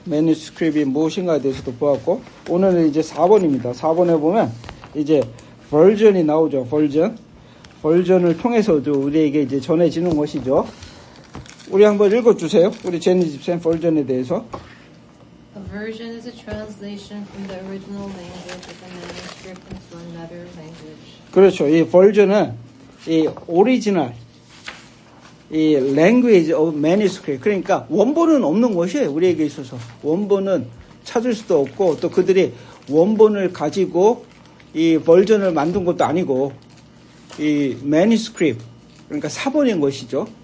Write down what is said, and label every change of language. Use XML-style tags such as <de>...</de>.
<ko>매뉴스크립이 무엇인가에 대해서도 보았고 오늘은 이제 4번입니다. 4번에 보면 이제 버전이 나오죠. 버전. 버전을 통해서도 우리에게 이제 전해지는 것이죠. 우리 한번 읽어주세요. 우리 제니집센 버전에 대해서.</ko> <en>A version is a translation from the original language of a manuscript into another language.</en> <ko>그렇죠. 이 버전은 이 오리지널, 이</ko> <en>language of manuscript.</en> <ko>그러니까 원본은 없는 것이에요. 우리에게 있어서. 원본은 찾을 수도 없고 또 그들이 원본을 가지고 이 버전을 만든 것도 아니고 이 manuscript 그러니까 사본인 것이죠.</ko>